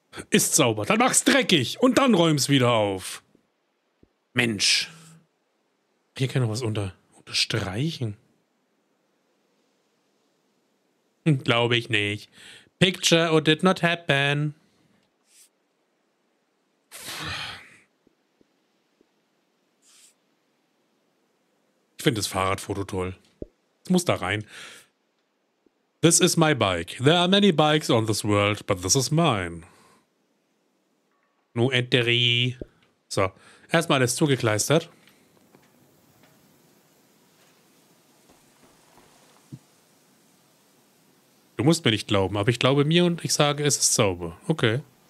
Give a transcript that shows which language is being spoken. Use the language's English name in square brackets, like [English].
[German] Ist sauber. Dann mach's dreckig. Und dann räum's wieder auf. Mensch. Hier kann noch was unterstreichen. Glaube ich nicht. [English] Picture or did not happen. [German] Ich finde das Fahrradfoto toll. Es muss da rein. [English] This is my bike. There are many bikes on this world, but this is mine. No entry. [German] So, erstmal ist zugekleistert. Du musst mir nicht glauben, aber ich glaube mir und ich sage, es ist sauber. Okay.